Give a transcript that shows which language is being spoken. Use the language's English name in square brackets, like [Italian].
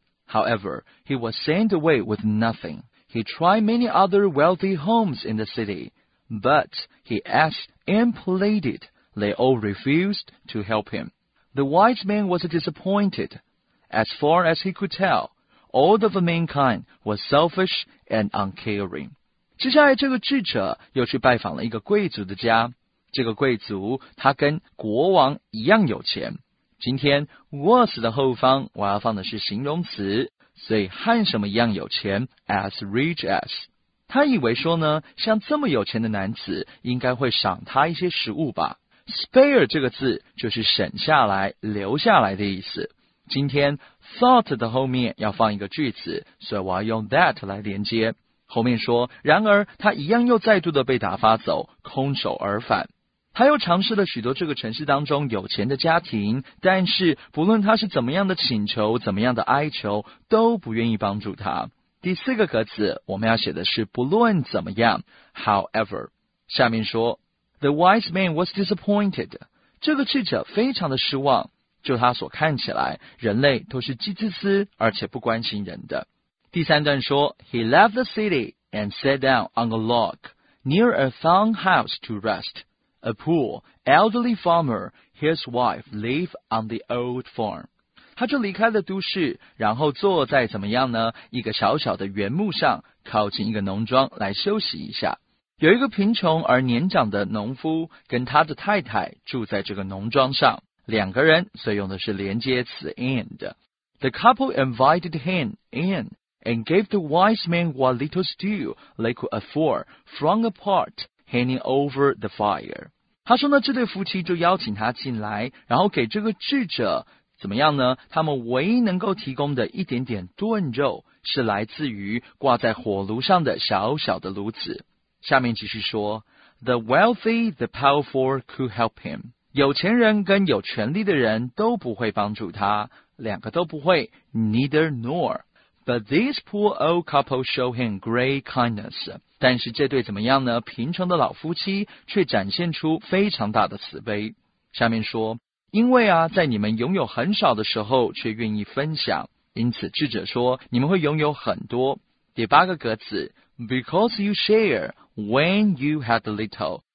[English] However, he was sent away with nothing. He tried many other wealthy homes in the city, but he asked and pleaded. They all refused to help him. The wise man was disappointed. As far as he could tell, all of mankind was selfish and uncaring. [Chinese] 接下来这个智者又去拜访了一个贵族的家。这个贵族他跟国王一样有钱。今天 was 的后方我要放的是形容词，所以和什么一样有钱 [English] as rich as。 [Chinese] 他以为说呢，像这么有钱的男子应该会赏他一些食物吧。 spare 这个字就是省下来留下来的意思。今天 thought 的后面要放一个句子，所以我要用 that 来连接。后面说，然而他一样又再度的被打发走，空手而返。他又尝试了许多这个城市当中有钱的家庭，但是不论他是怎么样的请求，怎么样的哀求，都不愿意帮助他。第四个格子，我们要写的是不论怎么样 ，however。下面说 ， [English] The wise man was disappointed。 [Chinese] 这个智者非常的失望。就他所看起来，人类都是既自私而且不关心人的。第三段说 [English] He left the city and sat down on a log near a farm house to rest. A poor, elderly farmer, his wife, lived on the old farm. [Chinese] 他就离开了都市，然后坐在怎么样呢？一个小小的原木上，靠近一个农庄来休息一下。有一个贫穷而年长的农夫跟他的太太住在这个农庄上，两个人，所以用的是连接词 and。 [English] The couple invited him in. And gave the wise man what little stew they could afford from a pot hanging over the fire. [Chinese] 他说呢，这对夫妻就邀请他进来，然后给这个智者怎么样呢？他们唯一能够提供的一点点炖肉是来自于挂在火炉上的小小的炉子。下面继续说 [English] ，The wealthy, the powerful could help him. [Chinese] 有钱人跟有权力的人都不会帮助他，两个都不会 ，neither nor. [English] But this poor old couple show him great kindness. [Chinese] 但是这对怎么样呢？贫穷的老夫妻却展现出非常大的慈悲。下面说，因为啊，在你们拥有很少的时候却愿意分享，因此智者说，你们会拥有很多。第八个格子 [English] ，Because you share when you had little.